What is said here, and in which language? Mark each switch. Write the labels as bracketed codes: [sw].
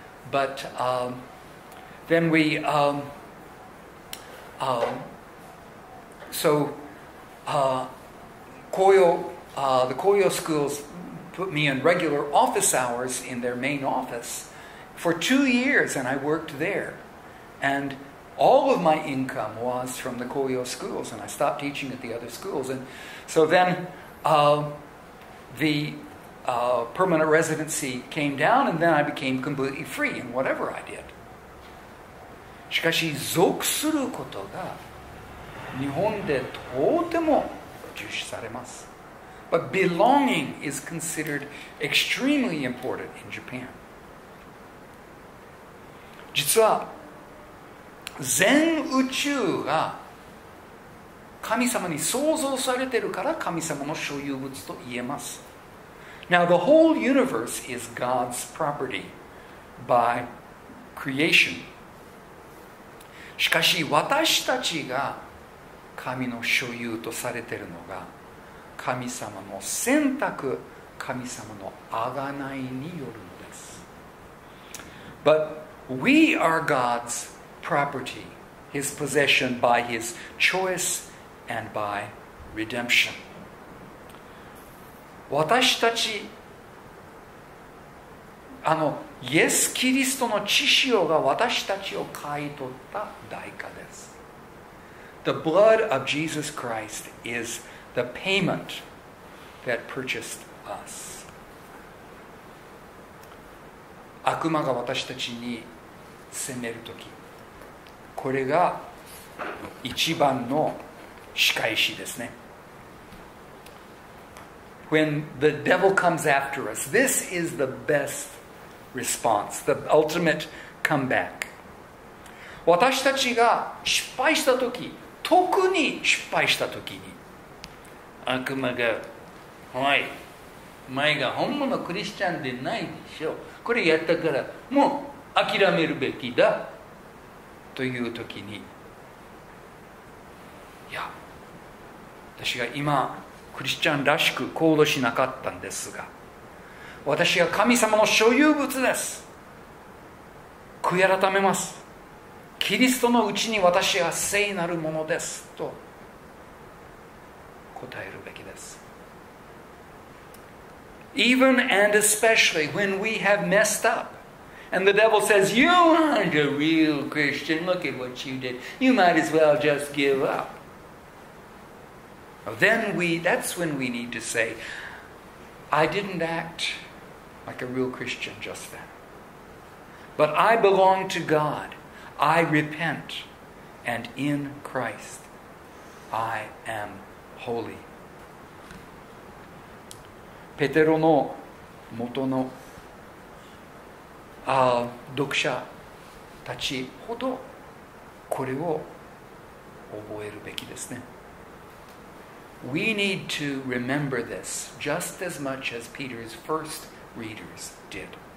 [en] But、then we...、the Koyo schools put me in regular office hours in their main office for 2 years, and I worked there. And all of my income was from the Koyo schools, and I stopped teaching at the other schools. And so then、permanent residency came down, and then I became completely free in whatever I did. [ja] しかし属することが日本でとても重視されます。 [en] But belonging is considered extremely important in Japan. [ja] 実は全宇宙が神様に創造されているから神様の所有物と言えます。 [en] Now the whole universe is God's property by creation. [ja] しかし私たちが神の所有とされているのが神様の選択、神様の贖いによるのです。 [en] But we are God's property, His possession by His choice and by redemption. [ja] 私たち、イエス・キリストの血潮が私たちを買い取った代価です。 [en] The blood of Jesus Christ is the payment that purchased us. [ja] 悪魔が私たちに責めるとき、これが一番の仕返しですね。 [en] When the devil comes after us, this is the best response, the ultimate comeback. [ja] 私たちが失敗したとき、特に失敗したときに、悪魔が、おい、前が本物クリスチャンでないでしょ。これやったからもう諦めるべきだというときに、いや、私が今、クリスチャンらしく行動しなかったんですが、私は神様の所有物です、悔い改めます、キリストのうちに私は聖なるものですと答えるべきです。 [en] Even and especially when we have messed up and the devil says you aren't a real Christian, look at what you did, you might as well just give upThen we, that's when we need to say, I didn't act like a real Christian just then. But I belong to God. I repent. And in Christ, I am holy. [ja] ペテロの元の読者たちほどこれを覚えるべきですね。 [en] We need to remember this just as much as Peter's first readers did.